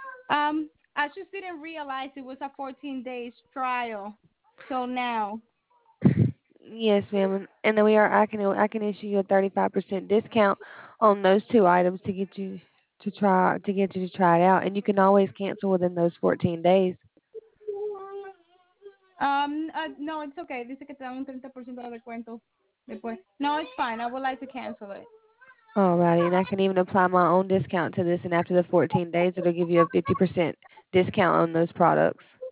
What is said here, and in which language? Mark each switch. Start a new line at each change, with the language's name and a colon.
English: I just didn't realize it was a 14 days trial. So now. Yes, ma'am. And then I can issue you a 35% discount on those two items to get you to try it out. And you can always cancel within those 14 days. No, it's okay.
Spanish: Dice que te dan un 30% de descuento después.
English: No, it's fine. I would like to cancel it. Alrighty, and I can even apply my own discount to this, and after the 14 days, it'll give you a 50% discount on those products.